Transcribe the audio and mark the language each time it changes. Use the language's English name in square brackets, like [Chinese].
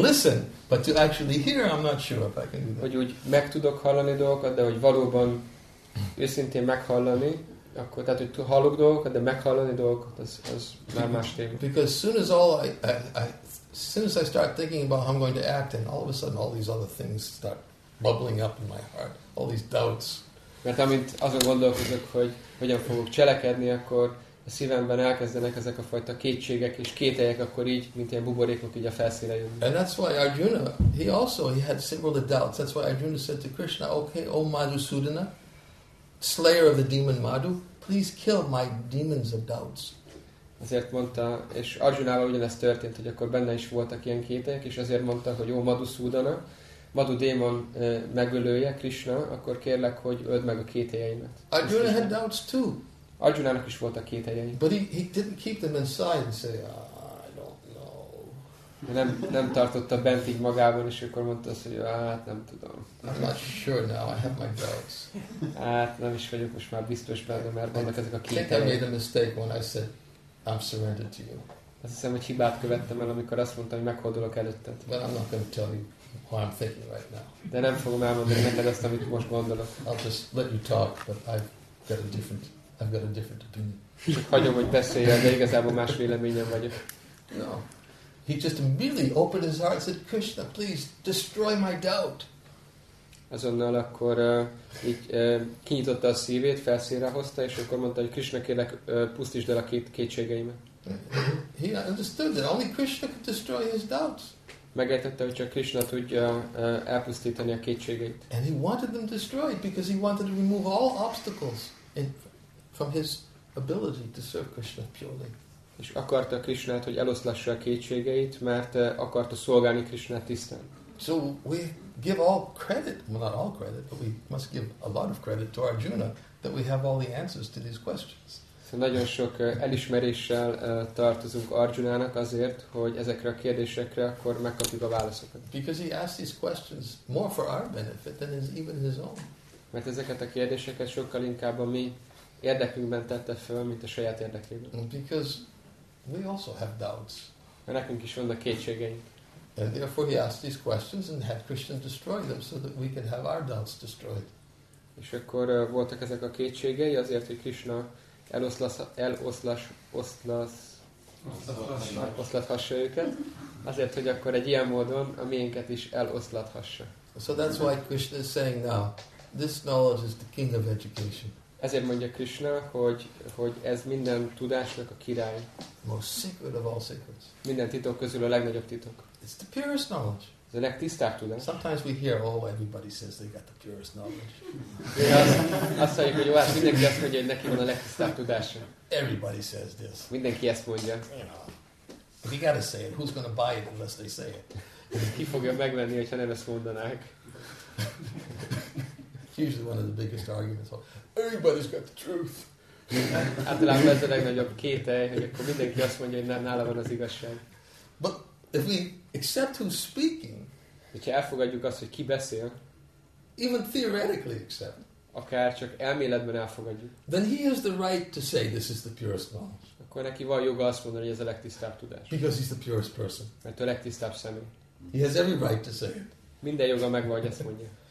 [English] listen, but to actually hear, I'm not sure if I can do that. [Hungarian] Hogy úgy meg tudok hallani dolgokat, de hogy valóban őszintén meghallani, akkor tehát hogy hallok dolgokat, de meghallani dolgokat, az már más téma. [English] Because as soon as I start thinking about how I'm going to act, and all of a sudden all these other things start bubbling up in my heart, all these doubts. [Hungarian] Mert amint azon gondolkozok, hogy hogyan fogok cselekedni, akkor a szívemben elkezdenek ezek a fajta kétségek és kételyek, akkor így, mint ilyen buborékok, így a felszínre jönnek. [English] And that's why Arjuna, he also had similar doubts. That's why Arjuna said to Krishna, okay, O Madhusudana, slayer of the demon Madhu, please kill my demons of doubts. [Hungarian] Azért mondta, és Arjunával ugyanez történt, hogy akkor benne is voltak ilyen kételyek, és azért mondta, hogy O Madhusudana, Madhu démon megölője, Krishna, akkor kérlek, hogy öld meg a kételyeimet. [English] Arjuna had doubts too. [Hungarian] Arjunának is voltak kételjei. [English] But he didn't keep them inside and say, I don't know. [Hungarian] Nem tartotta bent így magában, és akkor mondta azt, hogy hát nem tudom. [English] I'm not sure now, I have my doubts. [Hungarian] Hát nem is vagyok most már biztos benne, mert vannak ezek a kételjei. [English] I think I made a mistake when I said, I'm surrendered to you. [Hungarian] Azt hiszem, hogy hibát követtem el, amikor azt mondtam, hogy meghódolok előtted. [English] But I'm not going to tell you what I'm thinking right now. [Hungarian] De nem fogom elmondani neked azt, amit most gondolok. [English] I'll just let you talk, but I've got a different opinion. [Hungarian] Csak hagyom, hogy beszéljen, de igazából más véleményen vagyok. [English] No. He just immediately opened his heart and said, Krishna, please destroy my doubt. [Hungarian] Azonnal akkor így kinyitotta a szívét, felszínre hozta, és akkor mondta, hogy Krishna, kérlek, pusztítsd el a kétségeimet. [English] He understood that only Krishna could destroy his doubts. [Hungarian] Megértette, hogy csak Krishna tudja elpusztítani a kétségeit. [English] And he wanted them destroyed because he wanted to remove all obstacles from his ability to serve Krishna purely. [Hungarian] És akarta Krishnát, hogy eloszlassa a kétségeit, mert akarta szolgálni Krishnát tisztán. [English] So we give all credit, well not all credit, but we must give a lot of credit to Arjuna that we have all the answers to these questions. [Hungarian] Szóval nagyon sok elismeréssel tartozunk Arjunának azért, hogy ezekre a kérdésekre akkor megkapjuk a válaszokat. [English] Because he asked these questions more for our benefit than even his own. [Hungarian] Mert ezeket a kérdéseket sokkal inkább a mi érdekünkben tette föl, mint a saját érdekében. [English] Because we also have doubts. [Hungarian] Mert nekünk is vannak kétségeink. [English] And therefore he asked these questions and had Christian destroy them so that we could have our doubts destroyed. [Hungarian] És akkor voltak ezek a kétségei azért, hogy Krishna eloszlathassa őket, azért, hogy akkor egy ilyen módon a miénket is eloszlathassa. [English] So that's why Krishna is saying now, this knowledge is the king of education. [Hungarian] Ezért mondja Krishna, hogy ez minden tudásnak a király. [English] Most secret of all secrets. [Hungarian] Minden titok közül a legnagyobb titok. [English] It's the purest knowledge. [Hungarian] Ez a legtisztább tudás. [English] Sometimes we hear, oh, everybody says they got the purest knowledge. [Hungarian] Azt mondjuk, hogy jó, mindenki azt mondja, hogy neki van a legtisztább tudása. [English] Everybody says this. [Hungarian] Mindenki ezt mondja. [English] You know, if you gotta say it, who's gonna buy it unless they say it? [Hungarian] Ki fogja megvenni, hogyha nem ezt mondanák? [English] Usually one of the biggest arguments. Everybody's got the truth. [Hungarian] Általában ez a legnagyobb kétel, hogy akkor mindenki azt mondja, hogy nem nála van az igazság. [English] But if we accept who's speaking, [Hungarian] hogyha elfogadjuk azt, hogy ki beszél, [English] even theoretically accept, [Hungarian] akár csak elméletben elfogadjuk, [English] then he has the right to say this is the purest knowledge. [Hungarian] Akkor neki van joga azt mondani, hogy ez a legtisztább tudás. [English] Because he's the purest person. [Hungarian] Mert ő a legtisztább személy. [English] He has every right to say it. [Hungarian] Minden joga megvan, hogy ezt mondja.